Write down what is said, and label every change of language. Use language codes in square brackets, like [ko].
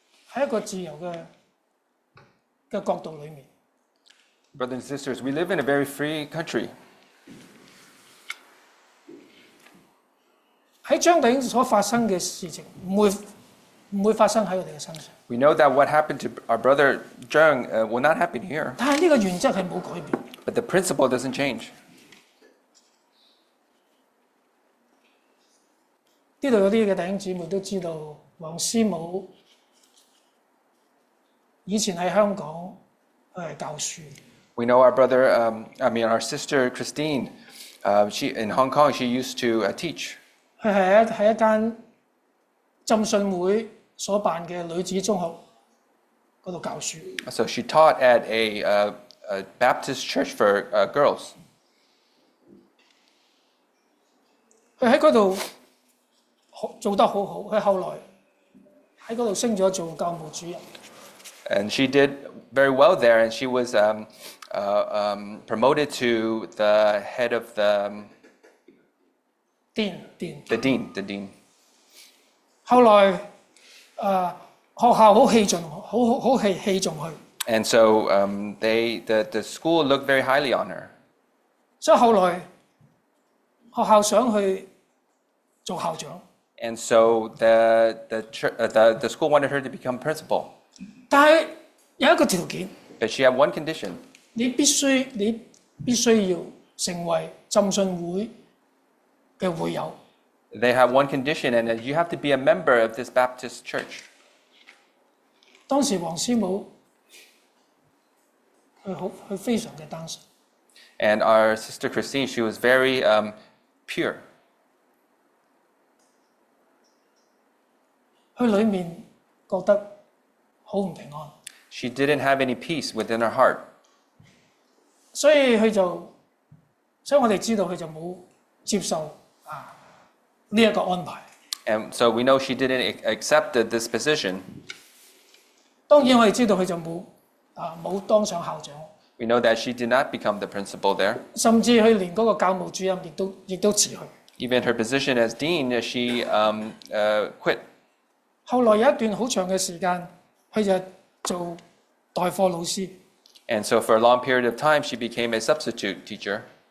[yue] 喺一個自由嘅角度裡面。 [en] Brothers and sisters, we live in a very free country. [yue] 喺張弟兄所發生嘅事情，唔會發生喺我哋嘅身上。 [en] We know that what happened to our brother Zheng will not happen here. [yue] 但係呢個原則係冇改變。 [en] But the principle doesn't change. [yue] 呢度有啲嘅弟兄姊妹都知道，黃師母以前喺香港係教書。 [en] We know our brother, our sister Christine, she in Hong Kong, she used to teach. [yue] 佢係喺一間浸信會所辦嘅女子中學嗰度教書。 [en] So she taught at a Baptist church for girls. [yue] 佢喺嗰度做得好好，佢後來喺嗰度升咗做教務主任。 [en] And she did very well there, and she was promoted to the head of the dean. [yue] 後來學校好器重，好器重佢。 [en] And so the school looked very highly on her. [yue] 所以後來學校想去做校長。 [en] And so the school wanted her to become principal. [yue] 但係有一個條件。 [en] But she had one condition. [yue] 你必須要成為浸信會嘅會友。 [en] They have one condition, and you have to be a member of this Baptist church. [yue] 當時黃師母佢非常嘅單純。 [en] And our sister Christine, she was very pure. [yue] 佢裡面覺得好唔平安。 [en] She didn't have any peace within her heart. [yue] 所以佢就，所以我哋知道佢就冇接受呢一個安排。 [en] And so we know she didn't accept this position. [yue] 當然我哋知道佢就冇當上校長。 [en] We know that she did not become the principal there. [yue] 甚至佢連嗰個教務主任亦都辭去。 [en] Even her position as dean, she quit. [yue] 後來有一段好長嘅時間，佢就做代課老師。 [en] And so for a long period of time, she became a substitute teacher.